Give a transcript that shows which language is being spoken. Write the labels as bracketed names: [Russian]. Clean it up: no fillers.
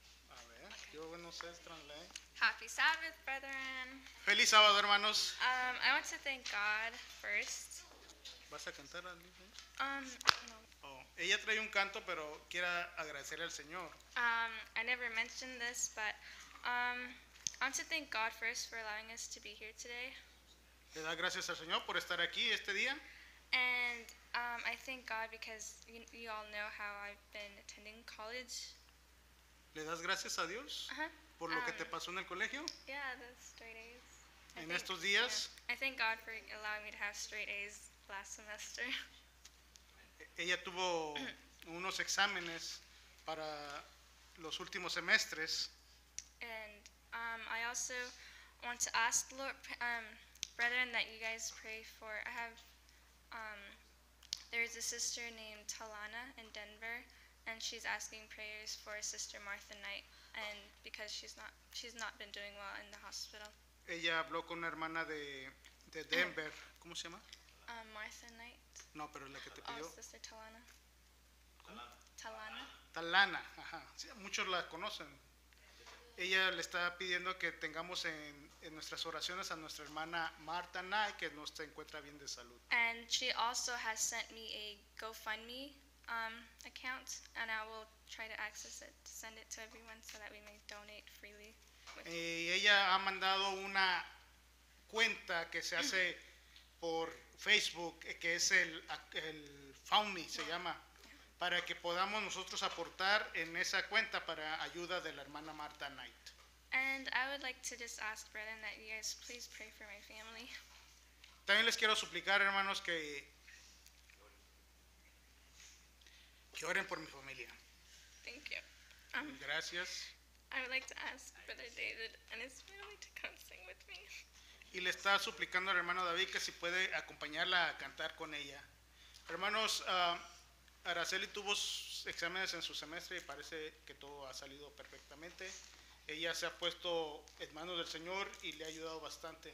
[Spanish] A ver, yo no sé translate. [English] Happy Sabbath, brethren. [Spanish] Feliz sábado, hermanos. [English] I want to thank God first. [Spanish] ¿Vas a cantar al libro? No. Oh, ella trae un canto, pero quiere agradecerle al Señor. [English] I never mentioned this, but I want to thank God first for allowing us to be here today. [Spanish] Le da gracias al Señor por estar aquí este día. [English] And I thank God because you all know how I've been attending college. [Spanish] ¿Le das gracias a Dios? Uh-huh. ¿Por lo que te pasó en el colegio? [English] Yeah, the straight A's. [Spanish] ¿En estos días? [English] Yeah. I thank God for allowing me to have straight A's last semester. [Spanish] Ella tuvo unos exámenes para los últimos semestres. [English] And I also want to ask Lord, brethren, that you guys pray for. I have, there's a sister named Talana in Denver, and she's asking prayers for Sister Martha Knight. And because she's not been doing well in the hospital. [Spanish] Ella habló con una hermana de Denver. ¿Cómo se llama? Martha Knight. No, pero la que te pidió. [English] Oh, Sister Talana. Talana. Talana. [Spanish] Talana. Ajá. Sí, muchos la conocen. Ella le está pidiendo que tengamos en nuestras oraciones a nuestra hermana Martha Knight, que no se encuentra bien de salud. [English] And she also has sent me a GoFundMe account, and I will try to access it, send it to everyone so that we may donate freely. [Spanish] Ella ha mandado una cuenta que se hace por Facebook, que es el FoundMe, se llama, para que podamos nosotros aportar en esa cuenta para ayuda de la hermana Martha Knight. [English] And I would like to just ask, brethren, that you guys please pray for my family. [Spanish] También les quiero suplicar, hermanos, que oren por mi familia. [English] Thank you. [Spanish] Gracias. [English] I would like to ask Brother David and his family to come sing with me. [Spanish] Y le está suplicando al hermano David que si puede acompañarla a cantar con ella. Hermanos, Araceli tuvo exámenes en su semestre y parece que todo ha salido perfectamente. Ella se ha puesto en manos del Señor y le ha ayudado bastante.